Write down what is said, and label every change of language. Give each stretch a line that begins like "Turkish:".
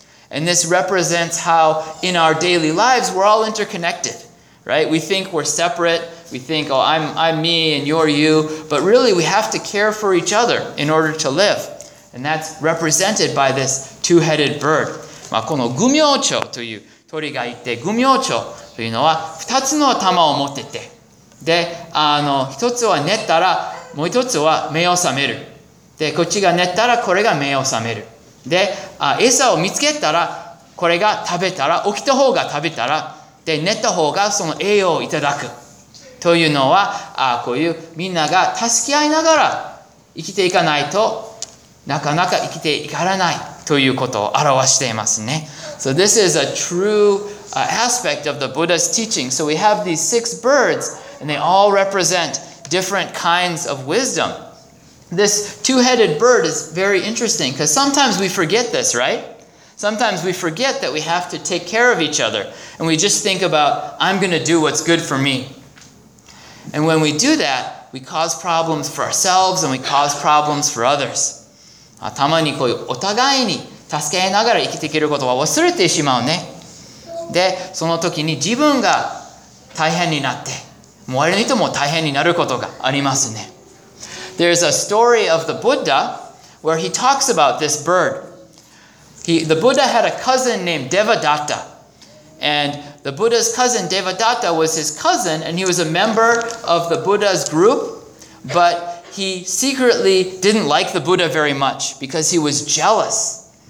English: And this represents how in our daily lives, we're all interconnected, right? We think we're separate. We think, oh, I'm me and you're you. But really, we have to care for each other in order to live. And that's represented by this two-headed bird.
Japanese: まあ、このグミョウチョという鳥がいて、グミョウチョというのは二つの頭を持ってて、で、あの、一つは寝たら、もう一つは目を覚める。で、こっちが寝たら、これが目を覚める。で、餌を見つけたら、これが食べたら、起きた方が食べたら、で、寝た方がその栄養をいただく。というのは、こういうみんなが助け合いながら生きていかないと、なかなか生きていかれないということを表していますね。
English: So this is a true aspect of the Buddha's teaching. So we have these six birds. And they all represent different kinds of wisdom. This two-headed bird is very interesting because sometimes we forget this, right? Sometimes we forget that we have to take care of each other, and we just think about, I'm going to do what's good for me. And when we do that, we cause problems for ourselves and we cause problems for others.
Japanese: たまにこういうお互いに助け合いながら生きていけることは忘れてしまうね。で、その時に自分が大変になって、周りの人も大変になることがありますね。
English: There's a story of the Buddha where he talks about this bird. The Buddha had a cousin named Devadatta. And the Buddha's cousin Devadatta was his cousin and he was a member of the Buddha's group. But he secretly didn't like the Buddha very much because he was jealous.